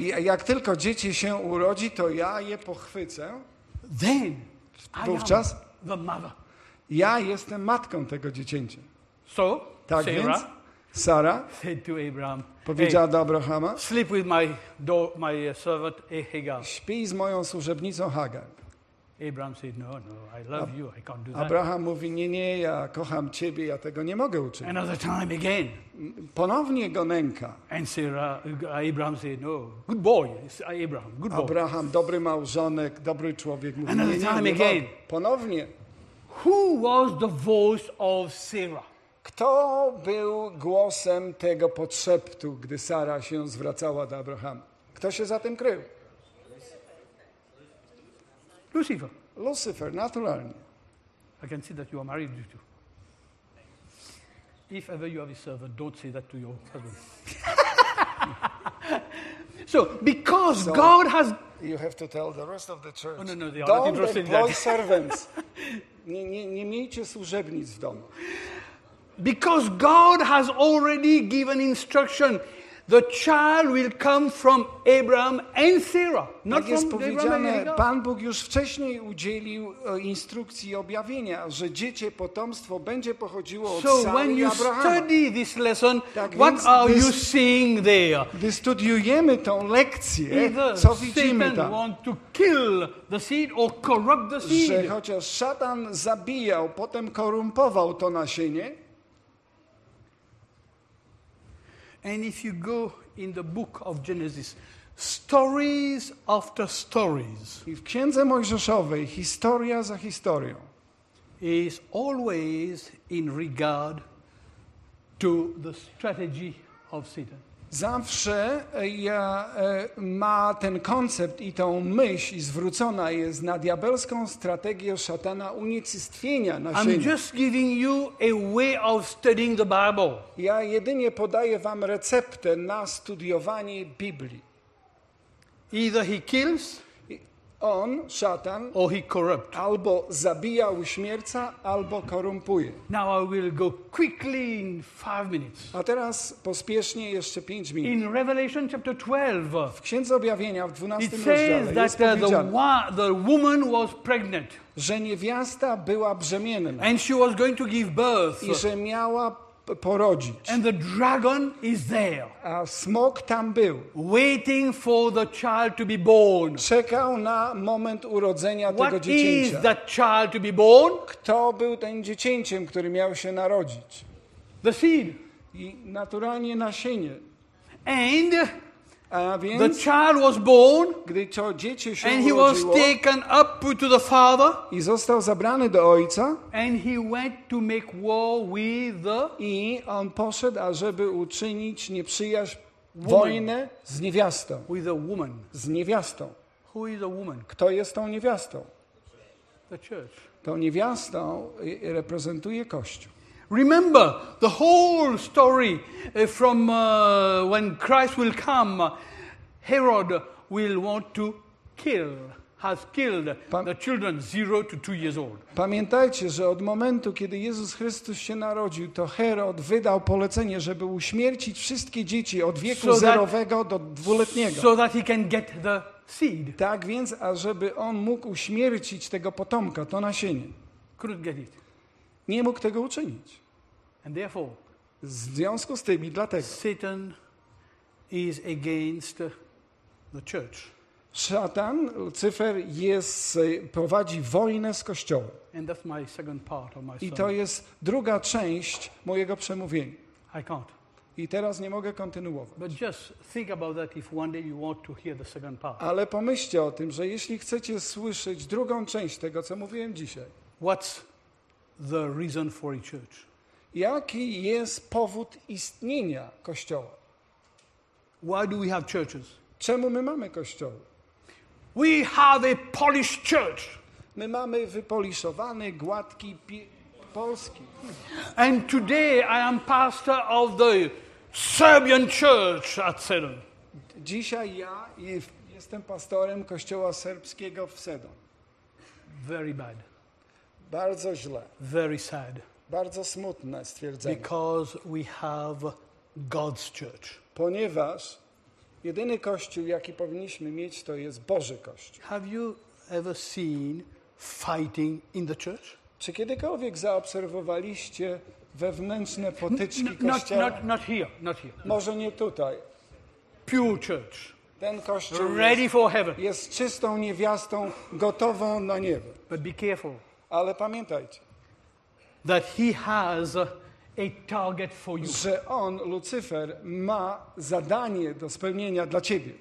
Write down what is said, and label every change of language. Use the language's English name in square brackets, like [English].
[Polish] Jak tylko dzieci się urodzi, to ja je pochwycę. [English] Then, [Polish] wówczas, [English] I am the mother. [Polish] Ja jestem matką tego dziecięcia. [English] So? [Polish] Tak [English] Sarah, [Polish] więc Sara [English] said to Abraham, [Polish] powiedziała do Abrahama, [English] sleep with my servant Hagar. [Polish] Śpi z moją służebnicą Hagar. [English] Abraham said, no, I love you, I can't do that. [Polish] Abraham mówi, nie, ja kocham ciebie, ja tego nie mogę uczynić. [English] Another time again. [Polish] Ponownie go nęka. [English] And Sarah, Abraham said, no, good boy, Abraham, good boy. [Polish] Abraham, dobry małżonek, dobry człowiek. Mówi, [English] another [Polish] nie, [English] time again. [Polish] Ponownie. [English] Who was the voice of Sarah? [Polish] Kto był głosem tego podszeptu, gdy Sara się zwracała do Abrahama? Kto się za tym krył? [English] Lucifer. [Polish] Lucifer, naturalnie. [English] I can see that you are married to. If ever you have a servant, don't say that to your husband. So, because so God has. You have to tell the rest of the church. Oh, no, they don't are not employ servants. [Polish] Nie miejcie służebnic w domu. [English] Because God has already given instruction, the child will come from Abraham and Sarah, not [Polish] tak jest [English] from [Polish] powiedziane, Pan Bóg już wcześniej udzielił instrukcji i objawienia, że dziecię, potomstwo będzie pochodziło [English] so [Polish] od Sary i Abrahama. [English] So when you study this lesson, [Polish] tak [English] what are you seeing there? [Polish] Gdy studiujemy tę lekcję, [English] either [Polish] co widzimy [English] Satan [Polish] tam? [English] Want to kill the seed or corrupt the seed. [Polish] Że chociaż szatan zabijał, potem korumpował to nasienie. [English] And if you go in the book of Genesis, stories after stories. [Polish] I w Księdze Mojżeszowej historia za historią. [English] Is always in regard to the strategy of Satan. [Polish] Zawsze ma ten koncept i tą myśl zwrócona jest na diabelską strategię szatana unicestwienia nasienia. [English] I'm just giving you a way of studying the Bible. [Polish] Ja jedynie podaję wam receptę na studiowanie Biblii. [English] Either he kills, [Polish] on, szatan, [English] or he corrupt. [Polish] Albo zabija, uśmierca, albo korumpuje. [English] Now I will go quickly in 5 minutes. [Polish] A teraz pospiesznie jeszcze 5 minut. [English] In Revelation chapter 12. [Polish] W Księdze Objawienia w 12 [English] it says [Polish] rozdziale [English] that [Polish] jest powiedziane, [English] the woman was pregnant. [Polish] Że niewiasta była brzemienna. [English] And she was going to give birth. [Polish] I że miała porodzić. [English] And the dragon is there. [Polish] A smok tam był. [English] Waiting for the child to be born. [Polish] Czekał na moment urodzenia [English] What [Polish] tego dziecięcia. [English] Is that child to be born? [Polish] Kto był tym dziecięciem, który miał się narodzić? [English] The seed. [Polish] I naturalnie nasienie. [English] And [Polish] A więc, [English] the child was born, [Polish] gdy to dziecię się [English] and he was [Polish] urodziło, [English] taken up to the father, [Polish] i został zabrany do ojca, [English] and he went to make war with the [Polish] i on poszedł, ażeby uczynić nieprzyjaźń wojnę z niewiastą. [English] With the woman. [Polish] Z niewiastą. [English] Who is the woman? [Polish] Kto jest tą niewiastą? [English] The church. [Polish] Tą niewiastą reprezentuje Kościół. [English] Remember the whole story from when Christ will come. Herod will want to kill, has killed the children 0 to 2 years old. [Polish] Pamiętajcie, że od momentu, kiedy Jezus Chrystus się narodził, to Herod wydał polecenie, żeby uśmiercić wszystkie dzieci od wieku [English] so [Polish] zerowego [English] that, [Polish] do dwuletniego. [English] So that he can get the seed. [Polish] Tak więc, ażeby on mógł uśmiercić tego potomka, to nasienie. [English] Couldn't get it. [Polish] Nie mógł tego uczynić. [English] And therefore, [Polish] w związku z tym i dlatego [English] Satan is against the church. [Polish] Szatan, Lucyfer prowadzi wojnę z Kościołem. [English] And that's my second part of my sermon. [Polish] I to jest druga część mojego przemówienia. [English] I can't. [Polish] I teraz nie mogę kontynuować. [English] But just think about that if one day you want to hear the second part. [Polish] Ale pomyślcie o tym, że jeśli chcecie słyszeć drugą część tego, co mówiłem dzisiaj. [English] What's the reason for a church. [Polish] Jaki jest powód istnienia Kościoła? [English] Why do we have churches? [Polish] Czemu my mamy Kościoły? [English] We have a Polish church. [Polish] My mamy wypoliszowany, gładki polski. [English] And today I am pastor of the Serbian church at Sedon. [Polish] Dzisiaj ja jestem pastorem Kościoła Serbskiego w Sedon. [English] Very bad. [Polish] Bardzo źle. [English] Very sad. [Polish] Bardzo smutne stwierdzenie. [English] Because we have God's church. [Polish] Ponieważ jedyny kościół, jaki powinniśmy mieć, to jest Boży kościół. [English] Have you ever seen fighting in the church? [Polish] Czy kiedykolwiek zaobserwowaliście wewnętrzne potyczki kościoła? [English] Not here. [Polish] Może nie tutaj. [English] Pure church. [Polish] Ten kościół [English] ready [Polish] jest, [English] for heaven. [Polish] Jest czystą niewiastą, gotową na niebo. [English] But be careful. [Polish] Ale pamiętajcie, [English] that he has a target for you. [Polish] Że on, Lucyfer, ma zadanie do spełnienia dla ciebie.